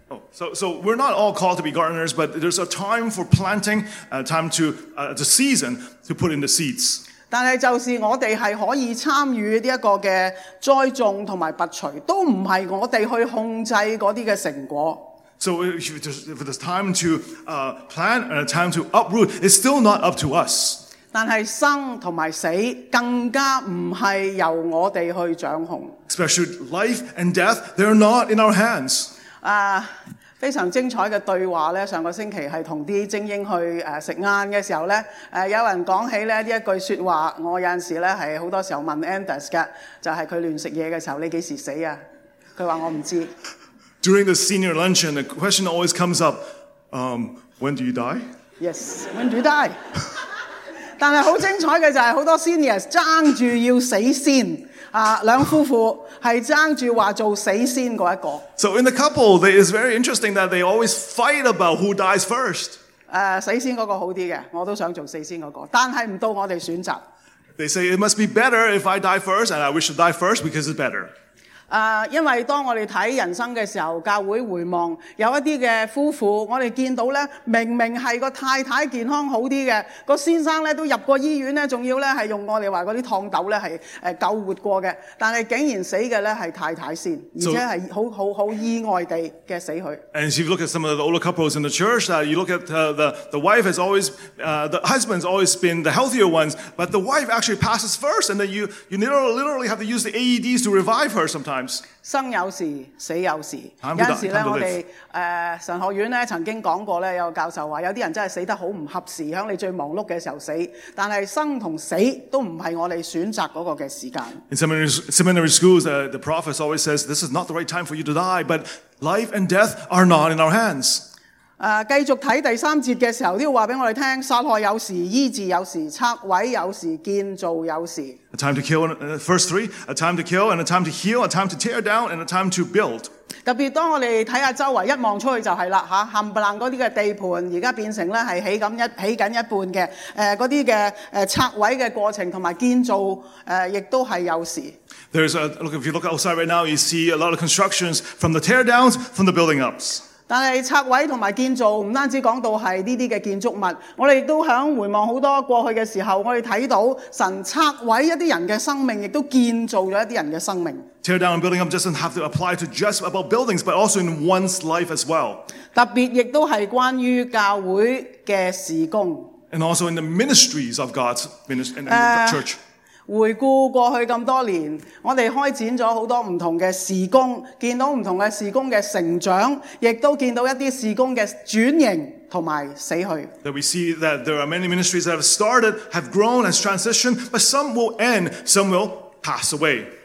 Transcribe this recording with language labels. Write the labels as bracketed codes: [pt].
[en] So we're not all called to be gardeners, but there's a time for planting, a time to the season to put in the seeds。 [yue] 但係就是我哋係可以參與呢一個嘅栽種同埋拔除，都唔係我哋去控制嗰啲嘅成果。 [en] So if it's time to plant and a time to uproot, it's still not up to us. [yue] 但是生同埋死更加唔係由我哋去掌控。 [en] Especially life and death, they're not in our hands. [yue] 非常精彩嘅對話咧，上個星期係同啲精英去食晏嘅時候咧，有人講起咧呢一句説話，我有陣時咧係好多時候問 Anders 嘅，就係佢亂食嘢嘅時候，你幾時死啊？佢話我唔知。 [en] During the senior luncheon, the question always comes up, when do you die? Yes, when do you die? [yue] 但是很精彩的就是很多 seniors 爭住要死先，兩夫婦是爭住話做死先那一個。 [en] So in the couple, it's very interesting that they always fight about who dies first. [yue] 死先那個好一點的，我都想做死先那個，但是不到我們選擇。 [en] They say it must be better if I die first, and I wish to die first because it's better. [yue] 因為當我哋睇人生嘅時候，教會回望有一啲嘅夫婦，我哋見到咧，明明係個太太健康好啲嘅，個先生咧都入過醫院咧，仲要咧係用我哋話嗰啲燙斗咧係救活過嘅，但係竟然死嘅咧係太太先，而且係好意外地嘅死去。 [en] And if you look at some of the older couples in the church, you look at the wife has always the husband's always been the healthier ones, but the wife actually passes first, and then you literally have to use the AEDs to revive her sometimes. [yue] 生有時，死有時。有陣時咧，我哋神學院咧曾經講過咧，有個教授話，有啲人真係死得好唔合時，喺你最忙碌嘅時候死。但係生同死都唔係我哋選擇嗰個嘅時間。 [en] In seminary schools, the prophet always says, "This is not the right time for you to die." But life and death are not in our hands. [yue] 繼續睇第三節嘅時候，都要話俾我哋聽：殺害有時，醫治有時，拆毀有時，建造有時。 [en] A time to kill, first three, a time to kill, and a time to heal, a time to tear down, and a time to build. [yue] 特別當我哋睇下周圍一望出去就係啦，嚇冚唪唥嗰啲嘅地盤，而家變成咧係起緊一半嘅，嗰啲嘅拆毀嘅過程同埋建造，亦都係有時。 [en] There's a look. If you look outside right now, you see a lot of constructions from the tear downs, from the building ups. [yue] 但是拆毁同埋建造唔单止讲到系呢啲嘅建筑物，我哋亦都响回望好多过去嘅时候，我哋睇到神拆毁一啲人嘅生命，亦都建造咗一啲人嘅生命。 [en] Tear down and building up doesn't have to apply to just about buildings, but also in one's life as well. [yue] 特别亦都系关于教会嘅事工。 [en] And also in the ministries of God's ministry and the church. [yue] 回顾过去咁多年，我哋开展咗好多唔同嘅事工，见到唔同嘅事工嘅成长，亦都见到一啲事工嘅转型同埋死去。 [en] That we see that there are many ministries that have started, have grown and transitioned, but some will end, some will pass away.